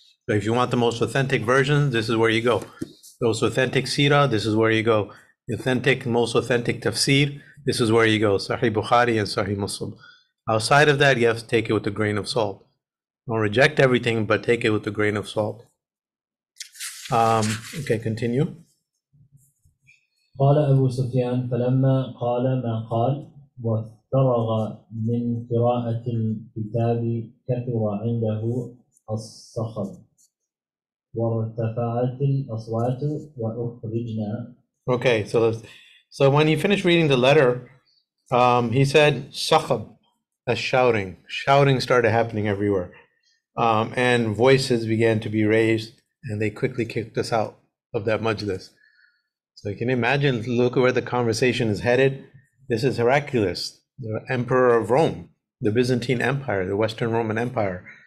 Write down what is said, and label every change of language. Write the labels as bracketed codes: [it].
[en] But if you want the most authentic version, this is where you go. Those authentic seerah, this is where you go. Authentic, most authentic tafsir, this is where you go. Sahih Bukhari and Sahih Muslim. Outside of that, you have to take it with a grain of salt. Don't reject everything, but take it with a grain of salt. Okay, continue. [ar] قال أبو سفيان فلما قال ما قال وفرغ من قراءة الكتاب كثر عنده الصخب وارتفعت الأصوات وأخرجنا. [en] Okay, so when he finished reading the letter, he said sakhab, a shouting. Shouting started happening everywhere. And voices began to be raised, and they quickly kicked us out of that majlis. So you can imagine, look where the conversation is headed. This is Heraclius, the emperor of Rome, the Byzantine Empire, the Western Roman Empire.